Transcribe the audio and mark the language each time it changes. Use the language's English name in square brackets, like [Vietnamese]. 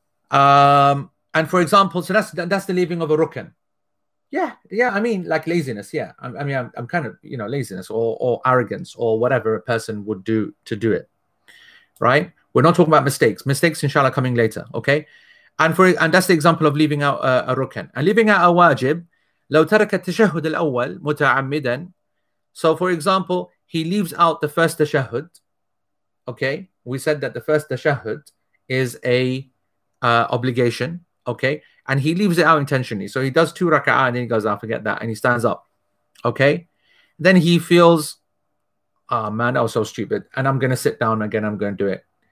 [English] And for example, so that's the leaving of a rukun. Yeah. I mean, like laziness. Yeah. I'm kind of, you know, laziness or arrogance or whatever a person would do to do it. Right. We're not talking about mistakes. Mistakes, inshallah, coming later. Okay. And that's the example of leaving out a rukun. And leaving out a wajib. [Arabic] لو ترك التشهد الأول متعمدا. [English] So, for example, he leaves out the first tashahhud. Okay, we said that the first tashahhud is a obligation. Okay, and he leaves it out intentionally. So he does two raka'ah and then he goes, "Ah, forget that," and he stands up. Okay, then he feels, "Ah, man, I was so stupid, and I'm gonna sit down again. I'm gonna do it."